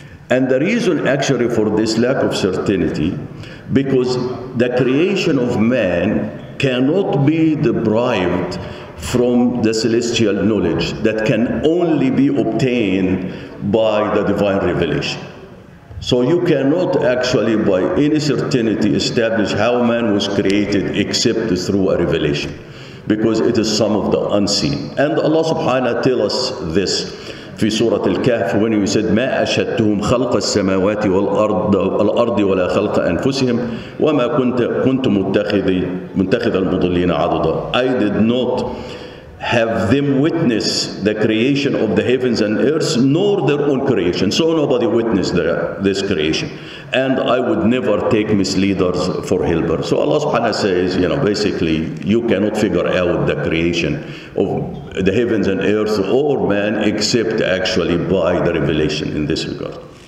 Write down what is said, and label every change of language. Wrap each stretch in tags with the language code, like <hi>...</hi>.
<en>And the reason actually for this lack of certainty, because the creation of man cannot be derived from the celestial knowledge that can only be obtained by the divine revelation. So you cannot actually by any certainty establish how man was created except through a revelation, because it is some of the unseen. And Allah subhanahu wa ta'ala tell us this في سورة الكهف, when he said</en> <ar>ما أشهدتهم خلق السماوات والأرض ولا خلق أنفسهم وما كنت متخذ المضلين عضدا.</ar> <en>I did not have them witness the creation of the heavens and earth, nor their own creation. So nobody witnessed this creation. And I would never take misleaders for helper. So Allah subhanahu wa ta'ala says, you know, basically, you cannot figure out the creation of the heavens and earth or man except actually by the revelation in this regard.</en>